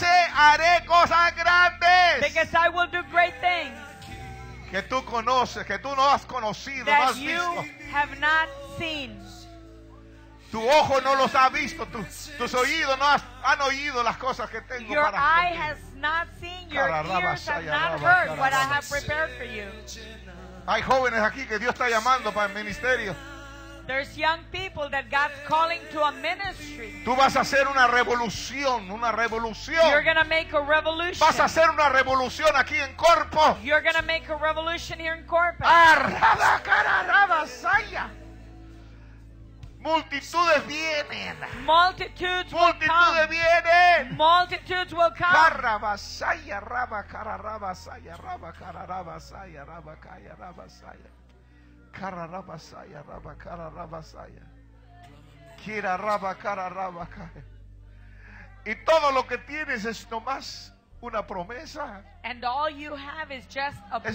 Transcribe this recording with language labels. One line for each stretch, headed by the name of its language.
Spanish: Yo sé, haré cosas grandes.
English: Because I will do great things.
Spanish: Que tú conoces, que tú no has conocido,
English: that
Spanish: no has visto.
English: You have not seen.
Spanish: Tu ojo no los ha visto, tus oídos no han oído las cosas que tengo
English: your
Spanish: para ti.
English: Your eye has not seen, your ears have not heard what I have prepared for you.
Spanish: Hay jóvenes aquí que Dios está llamando para el ministerio.
English: There's young people that God's calling to a ministry.
Spanish: Tú vas a hacer una revolución, una revolución.
English: You're going to make a revolution.
Spanish: Vas a hacer una revolución aquí en Corpo.
English: You're going to make a revolution here in Corpo.
Spanish: Arraba, cararraba, saya. Multitudes vienen.
English: Multitudes will come.
Spanish: Multitudes vienen.
English: Multitudes will come. Carraba, saya, raba, cararraba, saya, raba, cararraba, saya, raba, kaya, raba, saya. Kara raba saya raba kara raba saya kira raba kara raba kaya.
Spanish: Y todo lo que tienes es nomás una promesa.
English: And all you have is just a promise.